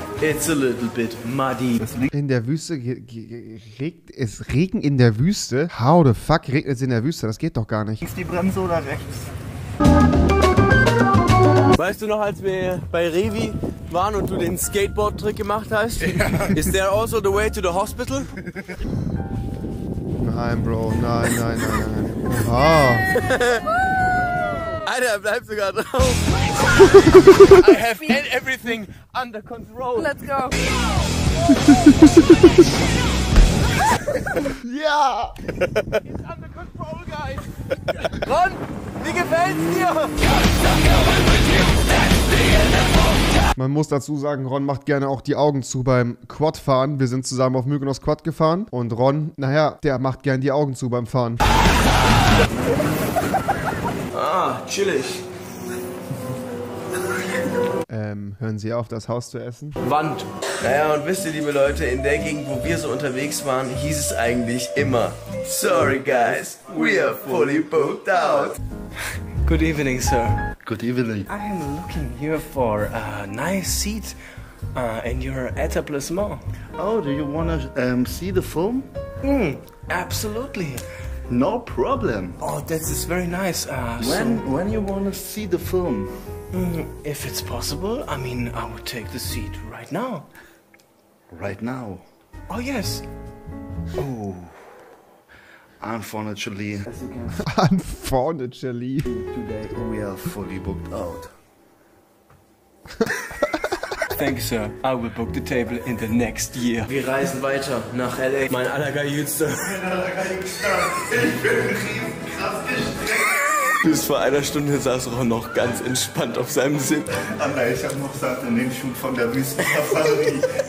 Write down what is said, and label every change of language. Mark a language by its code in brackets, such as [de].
[en] It's a little bit muddy. [de] In der Wüste regnet es Regen in der Wüste? [en] How the fuck [de] regnet es in der Wüste? Das geht doch gar nicht. Ist die Bremse oder rechts? Weißt du noch, als wir bei Revi waren und du den Skateboard-Trick gemacht hast? Ja. [en] Is there also the way to the hospital? [de] Nein, Bro. Nein. Oha. Alter, bleib sogar drauf. [en] I have everything under control. Let's go. [de] Ja! [en] It's under control, guys. Ron, [de] wie gefällt's dir? Man muss dazu sagen, Ron macht gerne auch die Augen zu beim Quadfahren. Wir sind zusammen auf Mykonos Quad gefahren. Und Ron, naja, der macht gerne die Augen zu beim Fahren. Ah, chillig. Hören Sie auf, das Haus zu essen? Wand. Naja, und wisst ihr, liebe Leute, in der Gegend, wo wir so unterwegs waren, hieß es eigentlich immer: [en] Sorry, guys, we are fully booked out. Good evening, sir. Good evening. I'm looking here for a nice seat in your etablissement. Oh, do you wanna see the film? Absolutely. No problem. Oh, that is very nice. When you wanna see the film? If it's possible, I mean, I would take the seat right now. Right now? Oh, yes. Oh. Unfortunately. Unfortunately. Today we are fully booked out. Thank you, sir. I will book the table in the next year. [de] Wir reisen weiter nach L.A. Mein allergeilster. Ich bin riesenkrass gestreckt. Bis vor einer Stunde saß Ron noch ganz entspannt auf seinem Sitz. Anna, ich hab noch Sand in den Schuh von der Wüstensafari.